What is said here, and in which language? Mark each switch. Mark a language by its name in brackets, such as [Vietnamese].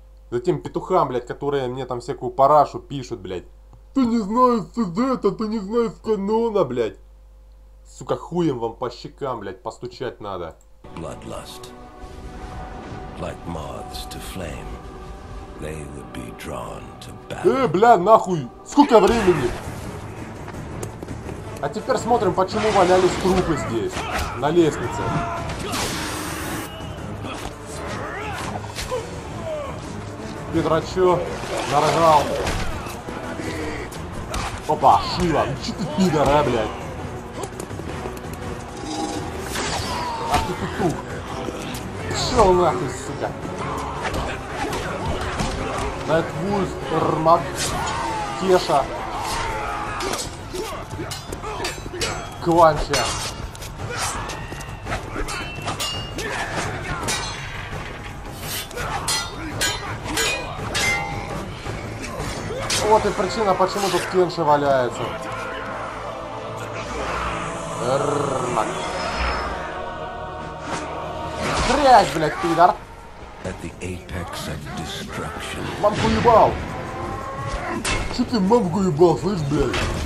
[Russian] Затем петухам, блядь, которые мне там всякую парашу пишут, блядь. Ты не знаешь сюжета, ты не знаешь канона, блядь. Сука, хуем вам по щекам, блядь, постучать надо. [English] Bloodlust. Like moths to flame. They would be drawn to battle. [Russian] Бля, нахуй! Сколько времени? А теперь смотрим, почему валялись трупы здесь, на лестнице. Петрачо, нарожал. Опа, Шива, ну че ты пидор, а, блядь? Пшел нахуй, сука. Найтвульф, Эрмак, Кеша, Кванча. Вот и причина, почему тут Кенши валяется. Эрмак. Блять, блять, пидор! [English] At the apex of destruction. [Russian] Вам хуебал! Чё ты мамку ебал, слышь, блядь?